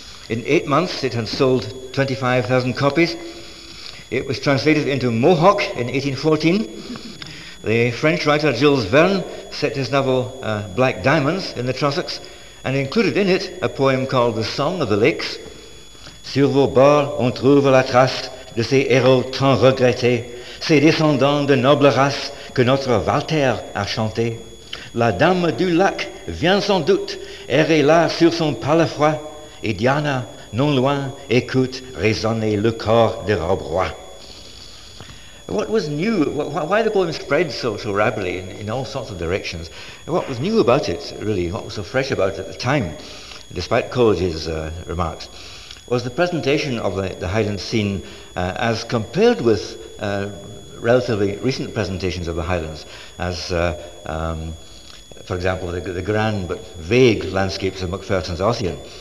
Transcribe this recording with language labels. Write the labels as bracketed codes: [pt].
[en] In 8 months it had sold 25,000 copies. It was translated into Mohawk in 1814. The French writer Jules Verne set his novel Black Diamonds in the Trossachs and included in it a poem called The Song of the Lakes. [fr] Sur vos bords on trouve la trace de ces héros tant regrettés, ces descendants de noble race que notre Walter a chanté. La dame du lac vient sans doute errer là sur son palefroy, et Diana, non loin, écoute résonner le corps de Rob Roy. [en] What was new, why the poem spread so rapidly in all sorts of directions, what was new about it, really, what was so fresh about it at the time, despite Coleridge's remarks, was the presentation of the Highland scene as compared with relatively recent presentations of the Highlands, as, for example, the grand but vague landscapes of Macpherson's Ossian.